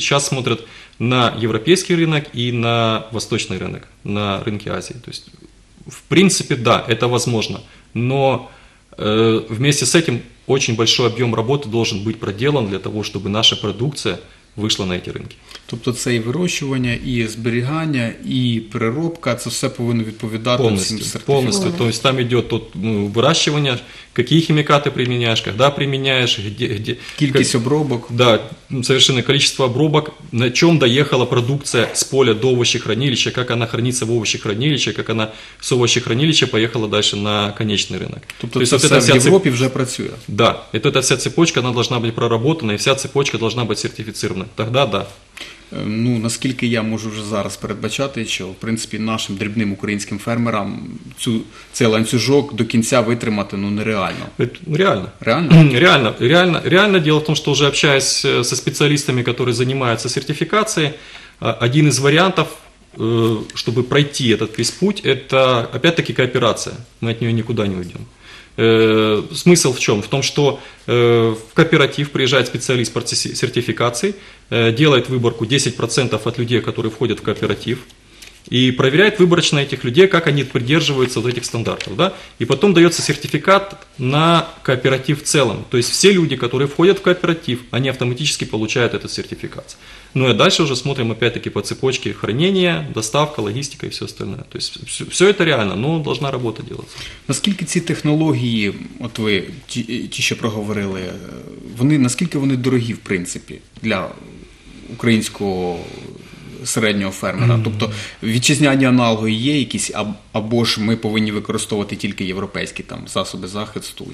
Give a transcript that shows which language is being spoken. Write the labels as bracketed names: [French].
[Russian] Сейчас смотрят на европейский рынок и на восточный рынок, на рынке Азии. То есть, в принципе, да, это возможно, но вместе с этим очень большой объем работы должен быть проделан для того, чтобы наша продукция [Ukrainian] вийшла на ці ринки. Тобто це і вирощування, і зберігання, і переробка, це все повинно відповідати повністю, всім сертифікатам. Повністю, повністю. Тобто там йде тут вирощування, які хімікати приміняєш, коли приміняєш, де кількість обробок. [Russian] Да, совершенно количество обробок, на чем доехала продукция с поля до овощехранилища, как она хранится в овощехранилище, как она с овощехранилища поехала дальше на конечный рынок. [Ukrainian] Тобто [Russian] то есть вся в Европе уже [Ukrainian] працює. [Russian] Да, это вот вся цепочка, она должна быть проработана, и вся цепочка должна быть сертифицирована. Тогда да. [Ukrainian] Ну, наскільки я можу вже зараз передбачати, що, в принципі, нашим дрібним українським фермерам цей ланцюжок до кінця витримати, ну, нереально. [Russian] Реально. [Ukrainian] Реально? [Russian] Реально. Реально. Реально. [Ukrainian] Дело в тому, що вже спілкуюсь зі спеціалістами, які займаються сертифікацією, один із варіантів, щоб пройти цей весь путь, це, [Russian] опять-таки, [Ukrainian] кооперація. Ми від неї нікуди не уйдемо. [Russian] Смысл в чем? В том, что в кооператив приезжает специалист по сертификации, делает выборку 10% от людей, которые входят в кооператив, и проверяет выборочно этих людей, как они придерживаются вот этих стандартов. Да? И потом дается сертификат на кооператив в целом. То есть все люди, которые входят в кооператив, они автоматически получают этот сертификат. Ну и дальше уже смотрим опять-таки по цепочке хранения, доставка, логистика и все остальное. То есть все это реально, но должна работа делаться. [Ukrainian] Наскільки ці технології, от ви ті ще проговорили, вони, наскільки вони дорогі в принципі для українського середнього фермера? Mm-hmm. Тобто вітчизняні аналоги є якісь, або ж ми повинні використовувати тільки європейські там засоби захисту?